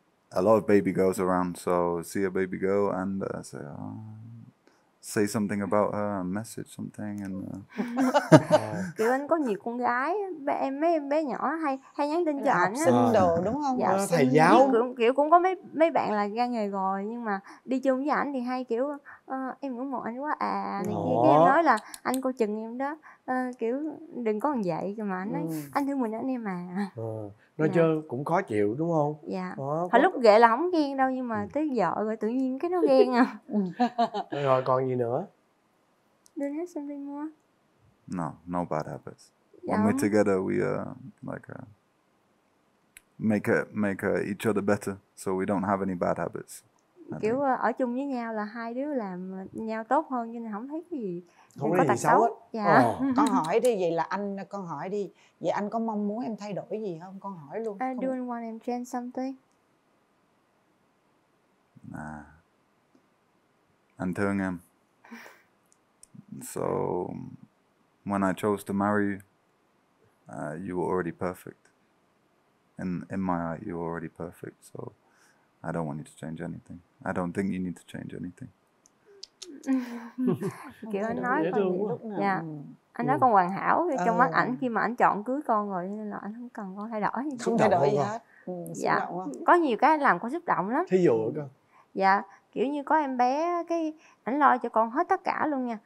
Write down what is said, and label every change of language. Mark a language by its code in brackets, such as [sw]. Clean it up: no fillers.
[en] A lot of baby girls around, so see a baby girl and say oh, say something about her, message something and [vi] kiểu anh có nhiều con gái, mấy em bé nhỏ hay nhắn tin cho ảnh xin đồ đúng không? Dạ, thầy giáo kiểu cũng có mấy bạn là ra nghề rồi nhưng mà đi chung với ảnh thì hay kiểu em ngưỡng mộ anh quá à này kia, cái em nói là anh coi chừng em đó, kiểu đừng có làm vậy, mà anh nói anh thương mình anh em mà nói chứ cũng khó chịu đúng không? Dạ. Hồi lúc ghệ là không ghen đâu nhưng mà tới vợ rồi tự nhiên cái nó ghen à. Rồi còn gì nữa? [en] Do you have something more? No, no bad habits. Dạ. When we're together, we make each other better, so we don't have any bad habits. [vi] Kiểu ở chung với nhau là hai đứa làm nhau tốt hơn cho nên không thấy cái gì. Không có gì tật xấu. Dạ. Con hỏi đi, vậy là anh, con hỏi đi. Vậy anh có mong muốn em thay đổi gì không? Con hỏi luôn. [en] I don't want to change something. [vi] Nah. Anh thương em. [en] So, when I chose to marry you, you were already perfect. In my eye, you were already perfect. So, I don't want you to change anything. I don't think you need to change anything. [vi] Kiểu anh nói con vậy lúc nào. Anh nói con hoàn hảo trong mắt ảnh khi mà ảnh chọn cưới con rồi, nên là anh không cần con thay đổi. Không thay đổi gì hết. Dạ. Có nhiều cái anh làm con xúc động lắm. Thí dụ hả con? Dạ. Kiểu như có em bé, cái ảnh lo cho con hết tất cả luôn nha.